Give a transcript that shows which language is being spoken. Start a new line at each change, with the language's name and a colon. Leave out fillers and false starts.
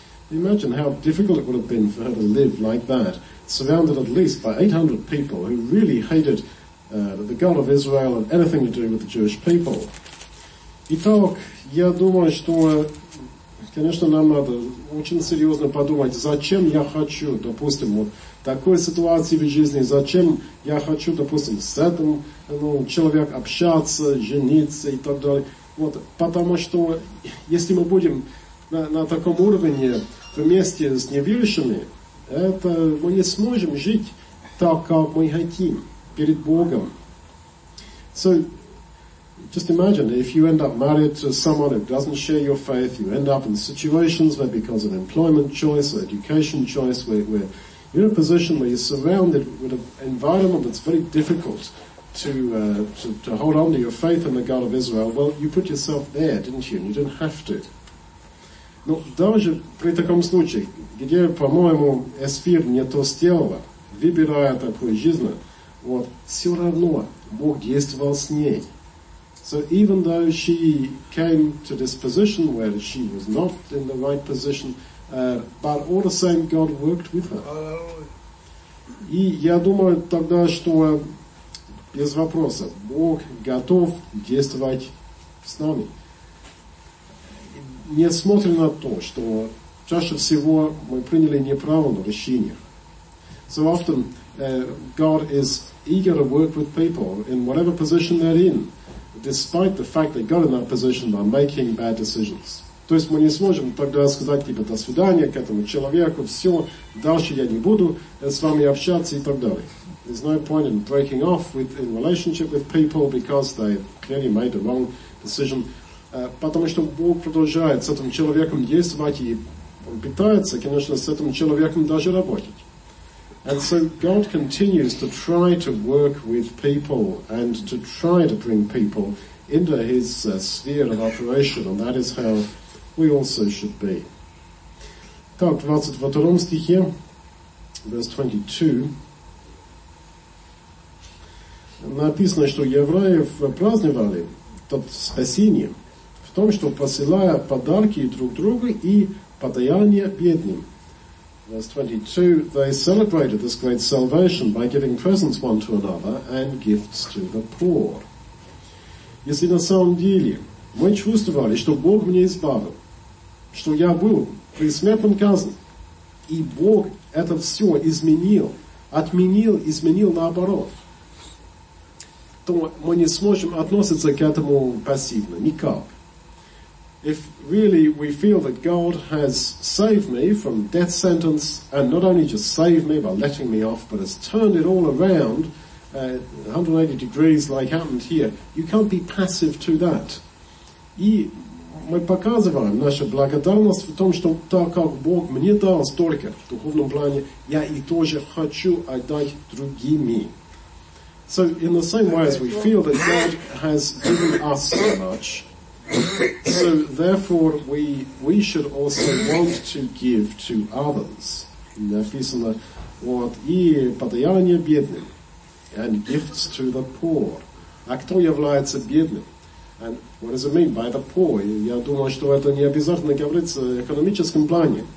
English: Imagine how difficult it would have been for her to live like that. Surrounded at least by 800 people who really hated the God of Israel and anything to do with the Jewish people.
Russian: Итак, я думаю, что, конечно, нам надо очень серьезно подумать, зачем я хочу, допустим, вот такой ситуации в жизни, зачем я хочу, допустим, с этим человек общаться, жениться и так далее. Вот, потому что, если мы будем на таком уровне вместе с неверующими, это мы не сможем жить так, как мы хотим, перед Богом.
English: So, just imagine, if you end up married to someone who doesn't share your faith, you end up in situations where because of employment choice or education choice, where you're in a position where you're surrounded with an environment that's very difficult to hold on to your faith in the God of Israel, well, you put yourself there, didn't you? And you didn't have to.
Russian: Но даже при таком случае, где, по-моему, Эсфир не то сделала, выбирая такую жизнь, вот, все равно Бог действовал с ней.
English: So even though she came to this position where she was not in the right position, but all the same, God worked with her.
Russian: И я думаю тогда, что без вопроса, Бог готов действовать с нами. Несмотря на то, что чаще всего мы приняли неправильное решение.
English: So often, God is eager to work with people in whatever position they're in, despite the fact they got in that position by making bad decisions.
Russian: То есть мы не сможем тогда сказать, типа, до свидания к этому человеку, все, дальше я не буду с вами общаться и так далее.
English: There's no point in breaking off with in relationship with people because they clearly made the wrong decision.
Russian: Потому что Бог продолжает с этим человеком действовать, и он пытается, конечно, с этим человеком даже работать.
English: And so God continues to try to work with people and to try to bring people into his sphere of operation, and that is how we also should be.
Russian: Так, 22 стихе,
English: verse 22,
Russian: написано, что евреев праздновали тот спасение в том, что посылая подарки друг другу и подаяние бедным.
English: Verse 22, they celebrated this great salvation by giving presents one to another and gifts to the poor.
Russian: Если на самом деле мы чувствовали, что Бог меня избавил, что я был при смертном казни, и Бог это все изменил, отменил, изменил наоборот, то мы не сможем относиться к этому пассивно, никак.
English: If really we feel that God has saved me from death sentence, and not only just saved me by letting me off, but has turned it all around, 180 degrees like happened here, you can't be passive to that.
Russian: И мы показываем нашу благодарность в том, что так как Бог мне дал столько в духовном плане, я и тоже хочу отдать другими.
English: So in the same way as we feel that God has given us so much, so therefore we should also want to give to others.
Russian: Написано, вот, и подаяние бедным,
English: and gifts to the poor.
Russian: А кто является бедным?
English: And what does it mean by the poor?
Russian: Я думаю, что это не обязательно говорится в экономическом плане.